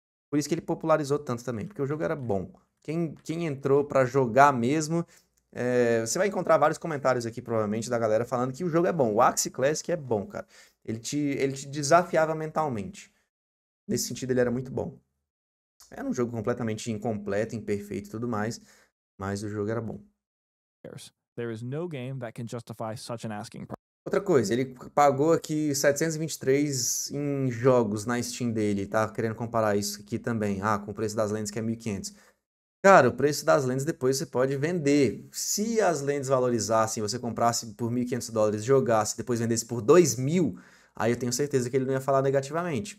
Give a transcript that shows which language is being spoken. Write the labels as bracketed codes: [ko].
[pt] Por isso que ele popularizou tanto também, porque o jogo era bom. Quem entrou pra jogar mesmo, você vai encontrar vários comentários aqui, provavelmente, da galera falando que o jogo é bom. O Axie Classic é bom, cara. Ele te desafiava mentalmente. Nesse sentido, ele era muito bom. Era um jogo completamente incompleto, imperfeito e tudo mais, mas o jogo era bom. [en] There is no game that can justify such an asking. [pt] Outra coisa, ele pagou aqui 723 em jogos na Steam dele. Tá querendo comparar isso aqui também. Ah, com o preço das lendas que é 1.500. Cara, o preço das lendas depois você pode vender. Se as lendas valorizassem, você comprasse por 1.500 dólares, jogasse, depois vendesse por 2.000, aí eu tenho certeza que ele não ia falar negativamente.